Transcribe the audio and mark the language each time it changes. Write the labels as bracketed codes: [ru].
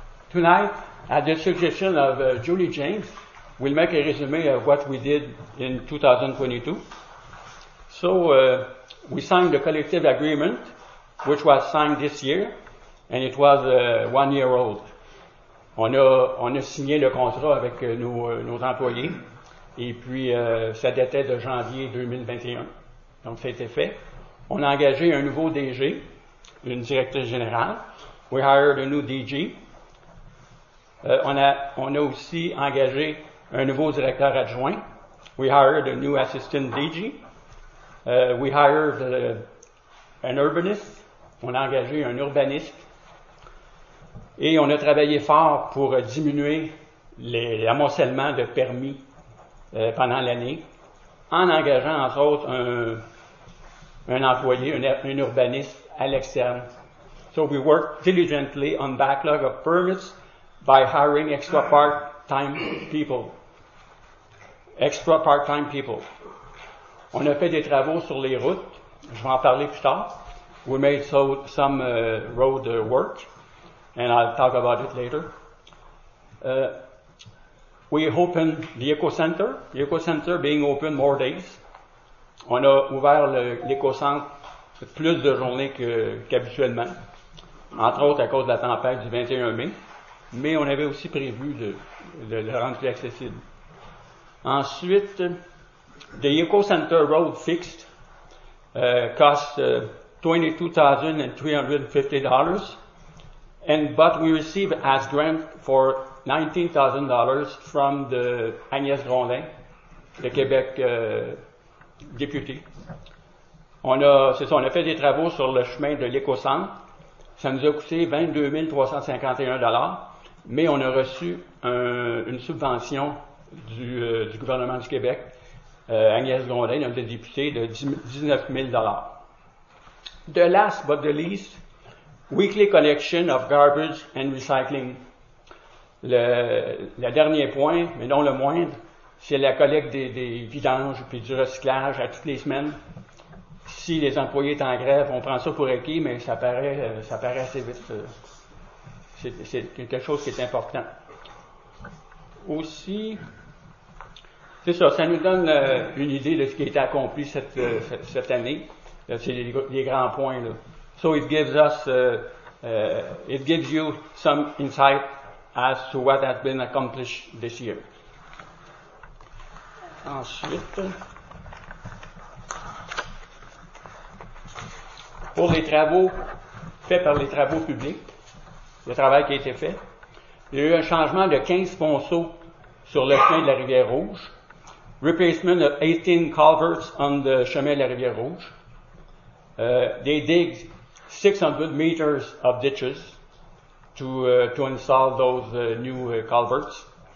[en] Tonight, at the suggestion of Julie James, we'll make a resume of what we did in 2022. So, we signed a collective agreement, which was signed this year, and it was 1 year old. [fr] On a signé le contrat avec nos employés, et puis ça datait de janvier 2021. Donc, ça a été fait. On a engagé un nouveau DG, une directrice générale. [en] We hired a new DG. [fr] On a aussi engagé un nouveau directeur adjoint. [en] We hired a new assistant DG. We hired an urbanist. [fr] On a engagé un urbaniste. Et on a travaillé fort pour diminuer l'amoncellement de permis pendant l'année, en engageant entre autres un urbaniste à l'externe. [en] So we worked diligently on backlog of permits by hiring extra part-time people. Extra part-time people. [fr] On a fait des travaux sur les routes. Je vais en parler plus tard. [en] We made some road work, and I'll talk about it later. We opened the Eco Center. The Eco Center being open more days. [fr] On a ouvert l'Eco Centre plus de journées qu'habituellement. Entre autres à cause de la tempête du 21 mai, mais on avait aussi prévu de le rendre plus accessible. [en] Ensuite, the Eco Center Road Fixed cost $22,350, but we received as grant for $19,000 from the Agnès Grondin, the Québec député. [fr] On a fait des travaux sur le chemin de l'Eco Centre. Ça nous a coûté $22,351, mais on a reçu une subvention du gouvernement du Québec, Agnès Grondin, notre députée, de $19,000. [en] The last but the least, weekly collection of garbage and recycling. [fr] Le dernier point, mais non le moindre, c'est la collecte des vidanges puis du recyclage à toutes les semaines. Si les employés sont en grève, on prend ça pour acquis, mais ça paraît assez vite. C'est quelque chose qui est important. Aussi, c'est ça, ça nous donne une idée de ce qui a été accompli cette année. C'est les grands points, là. [en] So it gives us, it gives you some insight as to what has been accomplished this year. [fr] Ensuite, pour les travaux faits par les travaux publics, le travail qui a été fait, il y a eu un changement de 15 ponceaux sur le chemin de la Rivière Rouge. [en] Replacement of 18 culverts on the chemin de la Rivière Rouge. They dig 600 meters of ditches to install those new culverts.